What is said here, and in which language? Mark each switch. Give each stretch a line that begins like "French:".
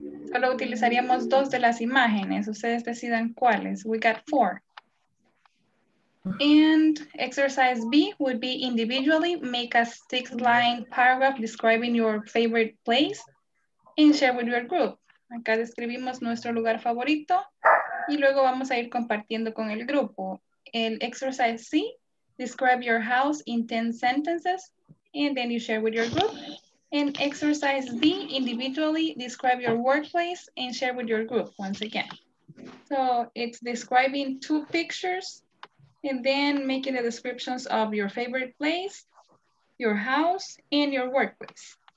Spanish: Solo utilizaríamos dos de las imágenes. Ustedes decidan cuáles.
English: We got four. And exercise B would be individually make a six line paragraph describing your favorite place and share with your group.
Spanish: Acá describimos nuestro lugar favorito y luego vamos a ir compartiendo con el grupo.
English: El exercise C, describe your house in 10 sentences and then you share with your group. And exercise B, individually describe your workplace and share with your group once again. So it's describing two pictures and then making the descriptions of your favorite place, your house, and your workplace.